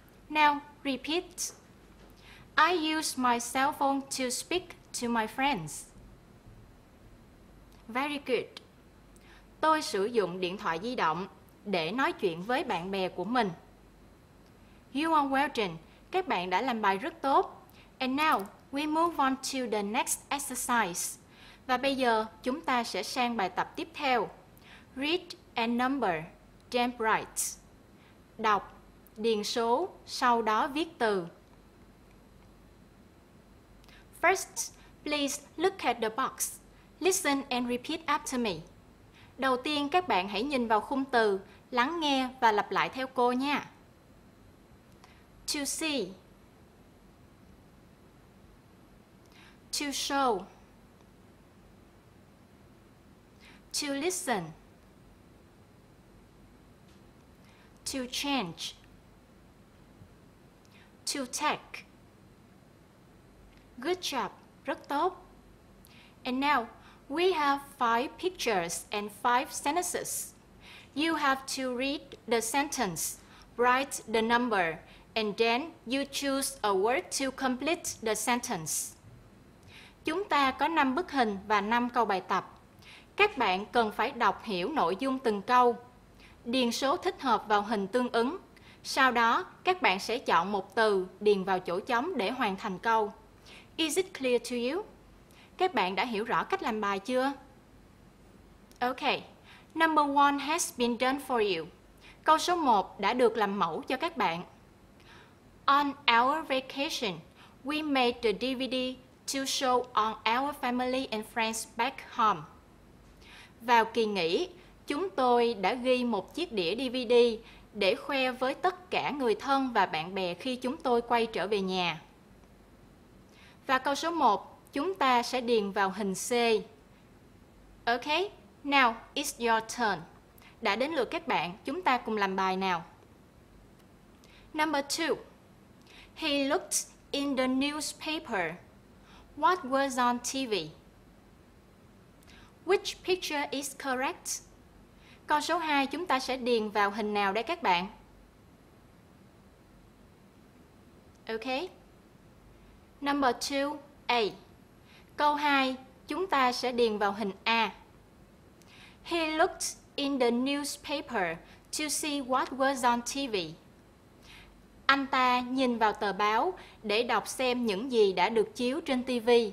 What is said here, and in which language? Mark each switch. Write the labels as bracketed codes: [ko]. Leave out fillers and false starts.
[en] Now, repeat. I use my cell phone to speak to my friends. Very good. [vi] Tôi sử dụng điện thoại di động để nói chuyện với bạn bè của mình. [en] You are well done. [vi] Các bạn đã làm bài rất tốt. [en] And now, we move on to the next exercise. [vi] Và bây giờ, chúng ta sẽ sang bài tập tiếp theo. [en] Read and number, then write. [vi] Đọc, điền số, sau đó viết từ. [en] First, please look at the box. Listen and repeat after me. [vi] Đầu tiên, các bạn hãy nhìn vào khung từ, lắng nghe và lặp lại theo cô nha. [en] To see. To show. To listen. To change. To take. Good job. [vi] Rất tốt. [en] And now, we have 5 pictures and 5 sentences. You have to read the sentence, write the number, and then you choose a word to complete the sentence. [vi] Chúng ta có 5 bức hình và 5 câu bài tập. Các bạn cần phải đọc hiểu nội dung từng câu, điền số thích hợp vào hình tương ứng. Sau đó, các bạn sẽ chọn một từ điền vào chỗ trống để hoàn thành câu. [en] Is it clear to you? [vi] Các bạn đã hiểu rõ cách làm bài chưa? Okay. [en] Number 1 has been done for you. [vi] Câu số 1 đã được làm mẫu cho các bạn. [en] On our vacation, we made the DVD to show on our family and friends back home. [vi] Vào kỳ nghỉ, chúng tôi đã ghi một chiếc đĩa DVD để khoe với tất cả người thân và bạn bè khi chúng tôi quay trở về nhà. Và câu số 1, chúng ta sẽ điền vào hình C. [en] Okay, now it's your turn. [vi] Đã đến lượt các bạn, chúng ta cùng làm bài nào. [en] Number 2. He looked in the newspaper. What was on TV? Which picture is correct? [vi] Câu số 2 chúng ta sẽ điền vào hình nào đây các bạn? [en] Okay. Number 2, A. [vi] Câu 2 chúng ta sẽ điền vào hình A. [en] He looked in the newspaper to see what was on TV. [vi] Anh ta nhìn vào tờ báo để đọc xem những gì đã được chiếu trên TV.